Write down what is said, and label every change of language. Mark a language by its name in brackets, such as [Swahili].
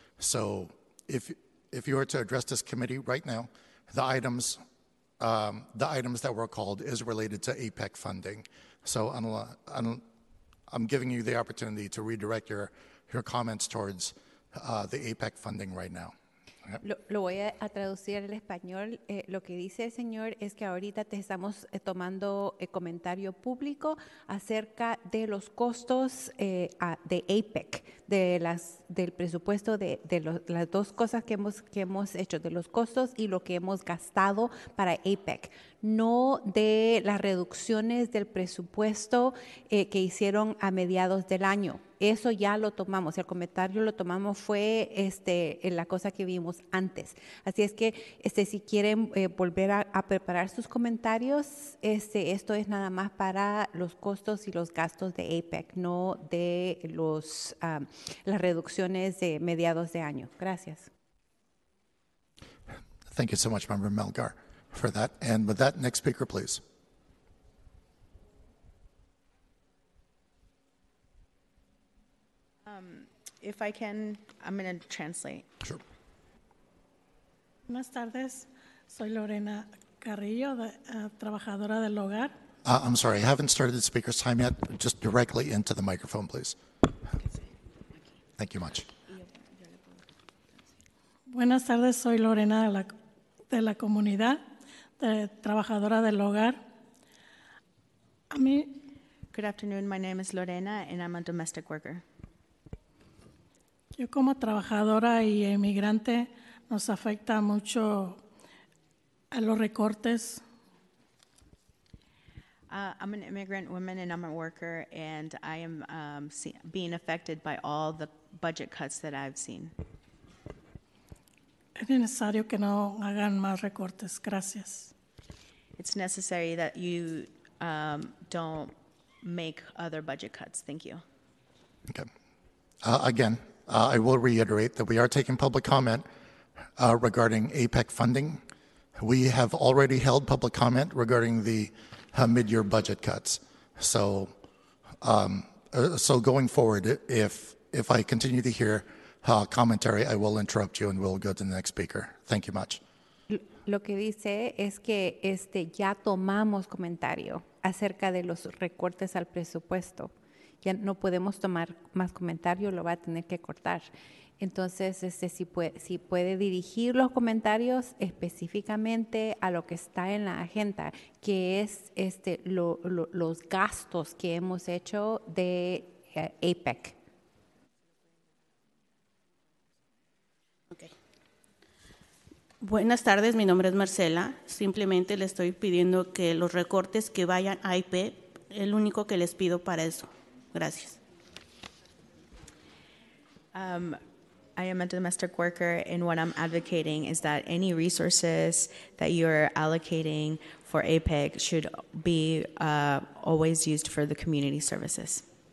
[English] So if you were to address this committee right now, the items that were called is related to APEC funding. So I'm giving you the opportunity to redirect your comments towards the APEC funding right now. [Spanish] Lo voy a traducir al español. Lo que dice el señor es que ahorita te estamos tomando comentario público acerca de los costos de APEC, del presupuesto de las dos cosas que hemos hecho, de los costos y lo que hemos gastado para APEC, no de las reducciones del presupuesto que hicieron a mediados del año. Eso ya lo tomamos, el comentario lo tomamos fue en la cosa que vimos antes. Así es que si quieren volver a preparar sus comentarios, esto es nada más para los costos y los gastos de APEC, no de las reducciones de mediados de año. Gracias. [English] Thank you so much, Member Melgar, for that. And with that, next speaker, please. If I can, I'm going to translate. Sure. [Spanish] Buenas tardes. Soy Lorena Carrillo, trabajadora del hogar. [English] I'm sorry, I haven't started the speaker's time yet. Just directly into the microphone, please. Thank you much. [Spanish] Buenas tardes. Soy Lorena de la comunidad, de trabajadora del hogar. [English] Good afternoon. My name is Lorena, and I'm a domestic worker. [Spanish] Yo como trabajadora y emigrante nos afecta mucho a los recortes. [English] I'm an immigrant woman and I'm a worker and I am being affected by all the budget cuts that I've seen. [Spanish] Es necesario que no hagan más recortes. Gracias. [English] It's necessary that you don't make other budget cuts. Thank you. Okay. I will reiterate that we are taking public comment regarding APEC funding. We have already held public comment regarding the mid-year budget cuts. So so going forward, if I continue to hear commentary, I will interrupt you and we'll go to the next speaker. Thank you much. [Spanish] Lo que dice es que ya tomamos comentario acerca de los recortes al presupuesto. Ya no podemos tomar más comentario, lo va a tener que cortar. Entonces, si puede dirigir los comentarios específicamente a lo que está en la agenda, que es los gastos que hemos hecho de APEC. Okay. Buenas tardes, mi nombre es Marcela. Simplemente le estoy pidiendo que los recortes que vayan a APEC, el único que les pido para eso. Gracias. [English] I am a domestic worker, and what I'm advocating is that any resources that you're allocating for APEC should be always used for the community services.